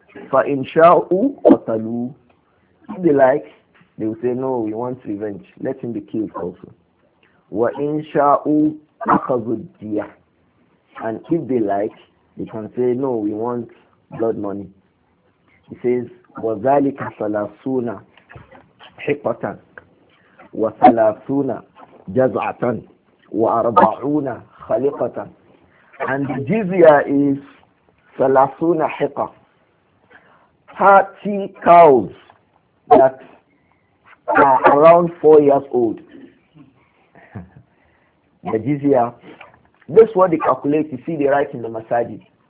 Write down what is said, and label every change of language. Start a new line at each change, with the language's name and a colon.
Arabic: فَإِنْ شَاءُوا قَتَلُوا.
English: If they like, they will say, no, we want revenge. Let him be killed also.
Arabic: وَإِنْ شَاءُوا أَخَذُوا الدِّيَةِ.
English: And if they like, they can say, no, we want blood money. He says,
Arabic: وَذَلِكَ ثَلَاثُونَ حِقَّةً وَثَلَاثُونَ جَزْعَةً وَأَرْبَعُونَ خَلِقَةً.
English: And the jizya is
Arabic: salasuna hiqa,
English: 30 cows that are around 4 years old. The jizya, this is what they calculate, you see they write in the masajid.